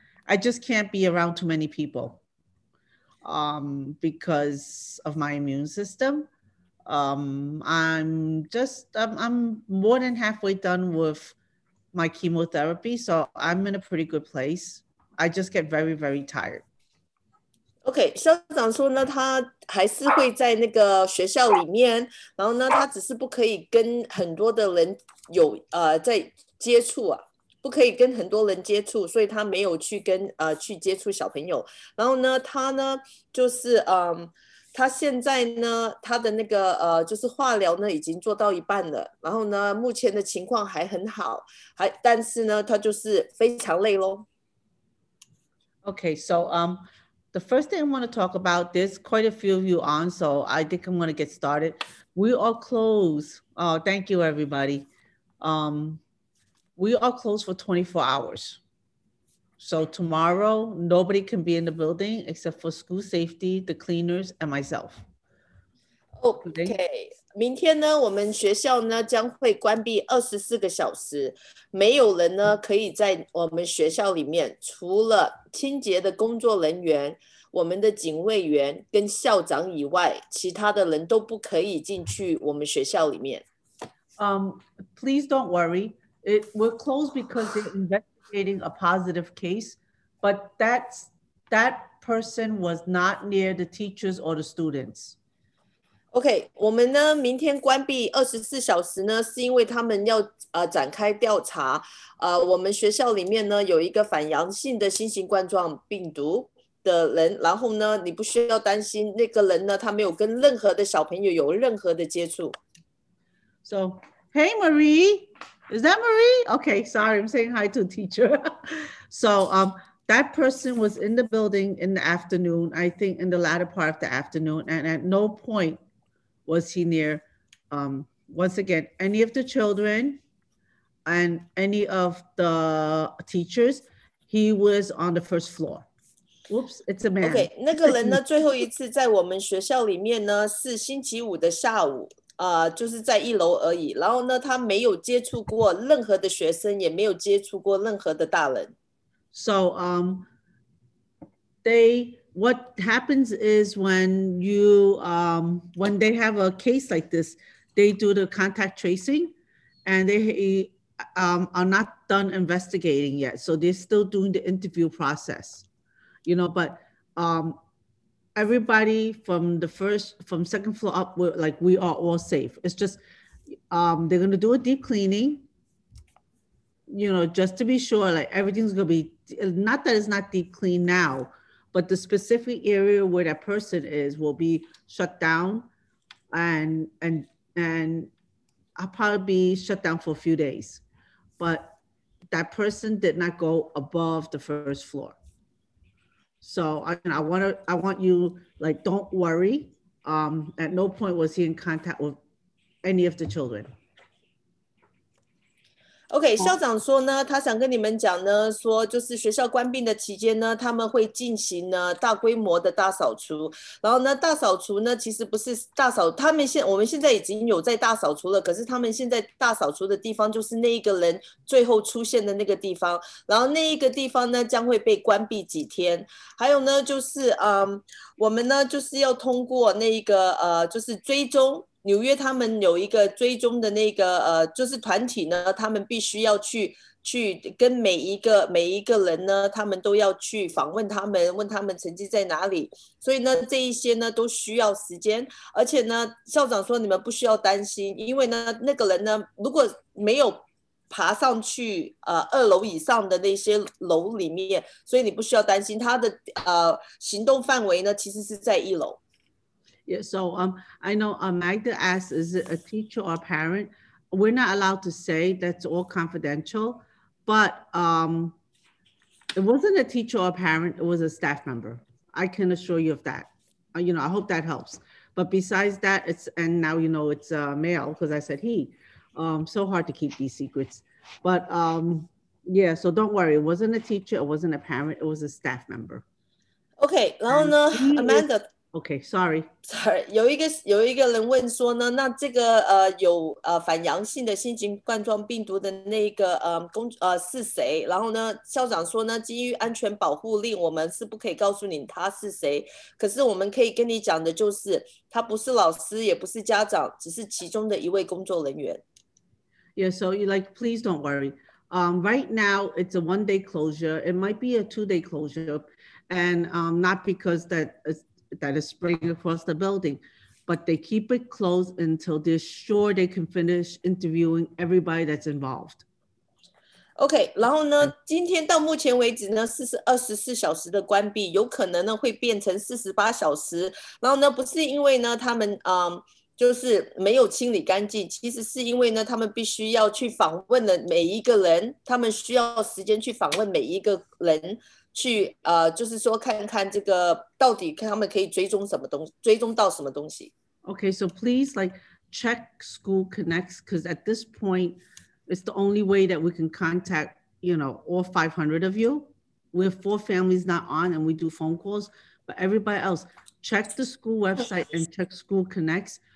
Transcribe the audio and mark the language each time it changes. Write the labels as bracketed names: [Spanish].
[English] I just can't be around too many people because of my immune system. I'm more than halfway done with my chemotherapy. So I'm in a pretty good place. I just get very, very tired. [Chinese] Okay, 校长说呢, 他还是会在那个学校里面, 然后呢, 他只是不可以跟很多的人有, 在接触啊, 不可以跟很多人接触, 所以他没有去跟, 去接触小朋友, 然后呢, 他呢, 就是, 他现在呢, 他的那个, 就是化疗呢, 已经做到一半了, 然后呢, 目前的情况还很好, 还, 但是呢, 他就是非常累咯。 [English] Okay, so, the first thing I want to talk about, there's quite a few of you on, so I think I'm going to get started. We are closed. Oh, thank you, everybody. We are closed for 24 hours. So tomorrow, nobody can be in the building except for school safety, the cleaners, and myself. Okay. [Chinese] 明天呢, 我们学校呢, 将会关闭 24个小时, 没有人呢, 可以在我们学校里面, 除了清洁的工作人员, 我们的警卫员 跟校长以外, 其他的人都不可以进去我们学校里面。 [English] Please don't worry. We're closed because they're investigating a positive case, but that person was not near the teachers or the students. [Chinese] Okay, 我们呢, 明天关闭 24小时呢, 是因为他们要, 展开调查, 我们学校里面呢, 有一个反阳性的新型冠状病毒, 的人, 然后呢, 你不需要担心, 那个人呢, 他没有跟任何的小朋友有任何的接触。 [English] So, hey Marie, is that Marie? Okay, sorry, I'm saying hi to teacher. So, that person was in the building in the afternoon, I think in the latter part of the afternoon, and at no point was he near, once again, any of the children and any of the teachers. He was on the first floor. Oops, it's a man. [Chinese] Okay, 那个人呢, 最后一次在我们学校里面呢, 是星期五的下午, 就是在一楼而已, 然后呢, 他没有接触过任何的学生, 也没有接触过任何的大人。 [English] So, they, what happens is when you, when they have a case like this, they do the contact tracing and they are not done investigating yet. So they're still doing the interview process, you know, but, everybody from the first, from second floor up, we're, like we are all safe. It's just, they're going to do a deep cleaning, you know, just to be sure, like everything's going to be, not that it's not deep clean now, but the specific area where that person is will be shut down and I'll probably be shut down for a few days, but that person did not go above the first floor. So I want you, like, don't worry. At no point was he in contact with any of the children. [Chinese] Okay, 校长说呢, 他想跟你们讲呢, 说就是学校关闭的期间呢, 他们会进行呢, 大规模的大扫除, 然后呢, 大扫除呢, 其实不是大扫, 他们现, 我们现在已经有在大扫除了, 可是他们现在大扫除的地方, 就是那一个人, 最后出现的那个地方, 然后那一个地方呢, 将会被关闭几天, 还有呢, 就是, 我们呢, 就是要通过那一个, 就是追踪, 纽约他们有一个追踪的那个就是团体呢，他们必须要去跟每一个人呢，他们都要去访问他们，问他们成绩在哪里。所以呢，这一些呢都需要时间。而且呢，校长说你们不需要担心，因为呢，那个人呢如果没有爬上去二楼以上的那些楼里面，所以你不需要担心他的行动范围呢，其实是在一楼。 [English] Yeah, so I know Magda asked, is it a teacher or a parent? We're not allowed to say, that's all confidential, but it wasn't a teacher or a parent, it was a staff member. I can assure you of that. You know, I hope that helps. But besides that, it's, and now you know it's a male, because I said he, so hard to keep these secrets. But yeah, so don't worry, it wasn't a teacher, it wasn't a parent, it was a staff member. Okay, and Amanda, Okay, sorry. [Chinese] Sorry, 有一个人问说呢，那这个有反阳性的新型冠状病毒的那个是谁？然后呢，校长说呢，基于安全保护令，我们是不可以告诉你他是谁。可是我们可以跟你讲的就是，他不是老师，也不是家长，只是其中的一位工作人员。 [English] Yeah, so you like, please don't worry. Right now it's a one-day closure. It might be a two-day closure, and not because that is spreading across the building, but they keep it closed until they're sure they can finish interviewing everybody that's involved. [Chinese] Okay, 然后呢，今天到目前为止呢，是24小时的关闭，有可能呢会变成48小时。然后呢，不是因为呢他们就是没有清理干净，其实是因为呢他们必须要去访问了每一个人，他们需要时间去访问每一个人。去就是说看看这个到底他们可以追踪什么东西，追踪到什么东西。 [English] Okay, so please like check school connects, because at this point, it's the only way that we can contact, you know, all 500 of you. We have 4 families not on and we do phone calls, but everybody else, check the school website and check school connects.